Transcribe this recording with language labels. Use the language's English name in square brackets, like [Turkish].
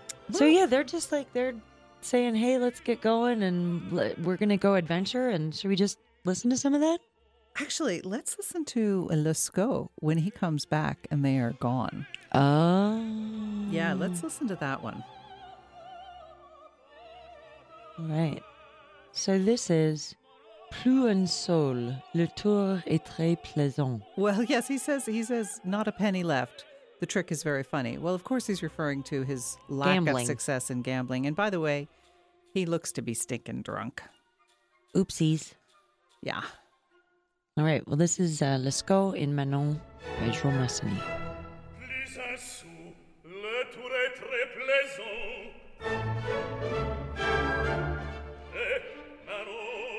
[English] So yeah, they're just like, they're saying, hey, let's get going and we're going to go adventure. And should we just listen to some of that? Actually, let's listen to Lescaut when he comes back and they are gone. Oh. Yeah, let's listen to that one. All right. So this is [French] Plus un sol, le tour est très plaisant. [English] Well, yes, he says not a penny left. The trick is very funny. Well, of course, he's referring to his lack gambling. Of success in gambling. And by the way, he looks to be stinking drunk. Oopsies. Yeah. All right. Well, this is Lescaut in Manon by Jean Massenet. [French] Plus un sol, le tour est très plaisant. Et Manon.